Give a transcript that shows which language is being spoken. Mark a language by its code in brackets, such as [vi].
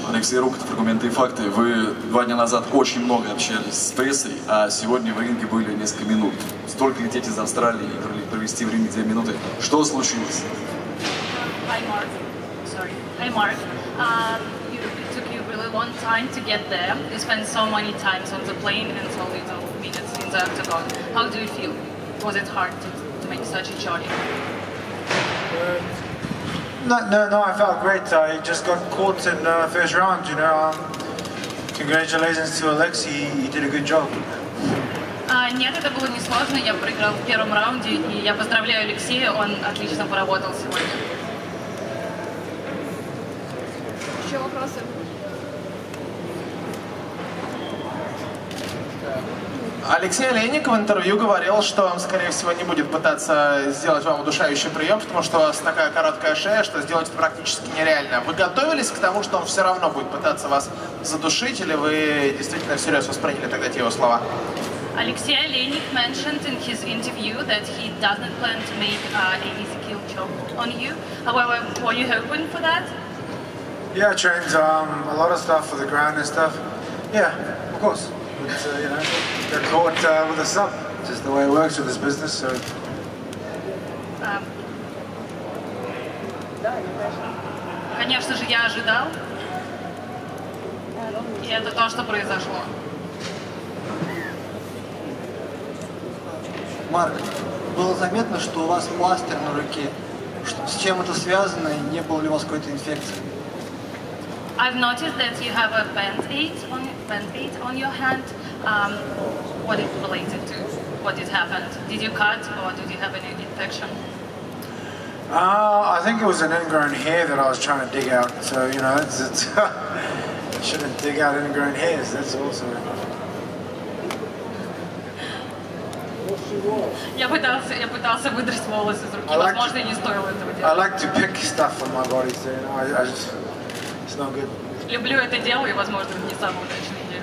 [ru] Алексей Рокотов, «Аргументы и факты». Вы 2 дня назад очень много общались с прессой, а сегодня в ринге были несколько минут. Столько лететь из Австралии и провести в ринге 2 минуты. Что случилось? [en] Hi, Mark. Sorry. Hi, Mark. It took you really long time to get there. You spent so many times on the plane and so little minutes in the octagon. How do you feel? Was it hard to make such a journey? No, I felt great. I just got caught in the first round, you know. Congratulations to Alexei, he did a good job. [ru] Нет, это было несложно. Я проиграл в первом раунде, и я поздравляю Алексея, он отлично поработал сегодня. Еще вопросы? Алексей Олейник в интервью говорил, что он, скорее всего, не будет пытаться сделать вам удушающий прием, потому что у вас такая короткая шея, что сделать это практически нереально. Вы готовились к тому, что он все равно будет пытаться вас задушить, или вы действительно всерьез восприняли тогда те его слова? [en] Алексей Олейник mentioned in his interview that he doesn't plan to make an easy kill choke on you. However, were you hoping for that? Yeah, I trained a lot of stuff for the ground and stuff. Yeah, of course. You know, they're caught with a sub. It's just the way it works with this business, so... [ru] Конечно же, я ожидал. И это то, что произошло. Марк, было заметно, что у вас пластырь на руке. С чем это связано и не было ли у вас какой-то инфекции? [en] I've noticed that you have a band-aid on your hand. What is related to? What did happen? Did you cut or did you have any infection? I think it was an ingrown hair that I was trying to dig out. So, you know, it's shouldn't dig out ingrown hairs. That's also... [ru] Я пытался выдрать волосы из руки. Возможно, не стоило этого делать. [en] I like to pick stuff on my body, so, you know, I just... It's not good. [ru] Люблю это дело, и, возможно, не самое удачное.